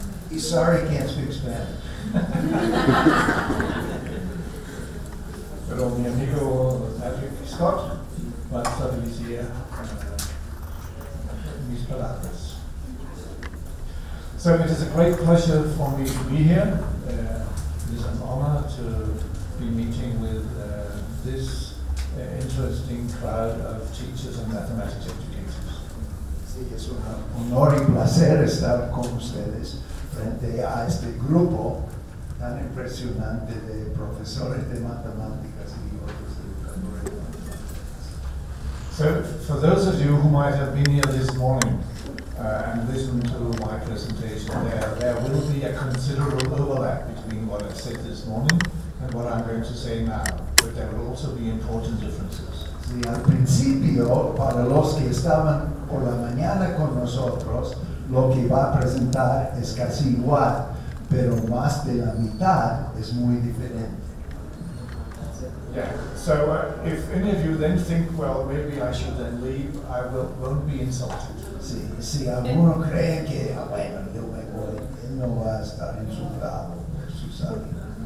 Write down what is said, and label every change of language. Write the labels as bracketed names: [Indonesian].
[English] He's sorry, can't speak Spanish. [Spanish] Pero mi amigo Patrick Scott va a traducir mis palabras. [English] So it is a great pleasure for me to be here. It is an honor to be meeting with this interesting crowd of teachers and mathematics educators. [Spanish] Así que es un honor y placer estar con ustedes frente a este grupo tan impresionante de profesores de matemáticas y otros educadores de matemáticas. [English] So, for those of you who might have been here this morning and listened to my presentation, there will be a considerable overlap between what I said this morning and what I'm going to say now, but there will also be important differences. [Spanish] Sí, al principio, para los que estaban por la mañana con nosotros, lo que va a presentar es casi igual, pero más de la mitad es muy diferente. [English] Yeah, so if any of you then think, well, maybe I should then leave, I won't be insulted. [Spanish] Sí, si alguno cree que, bueno, yo me voy, él no va a estar insultado por su salida.